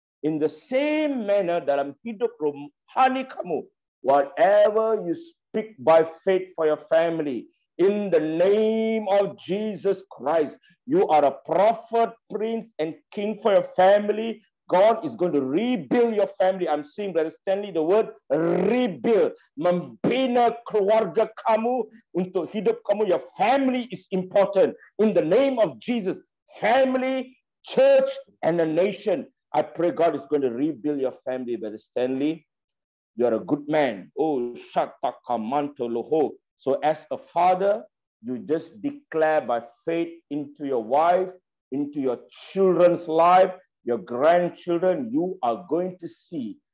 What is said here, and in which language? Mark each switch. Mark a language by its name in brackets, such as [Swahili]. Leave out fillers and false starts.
[English] In the same manner that I'm [Malay] hidup rohani kamu, [English] whatever you speak by faith for your family, in the name of Jesus Christ, you are a prophet, prince, and king for your family. God is going to rebuild your family. I'm seeing, Brother Stanley, the word rebuild. [Malay] Membina keluarga kamu untuk hidup kamu. [English] Your family is important. In the name of Jesus, family, church, and a nation. I pray God is going to rebuild your family, Brother Stanley. You are a good man. Oh, shataka manto loho. So as a father, you just declare by faith into your wife, into your children's life, your grandchildren, you are going to see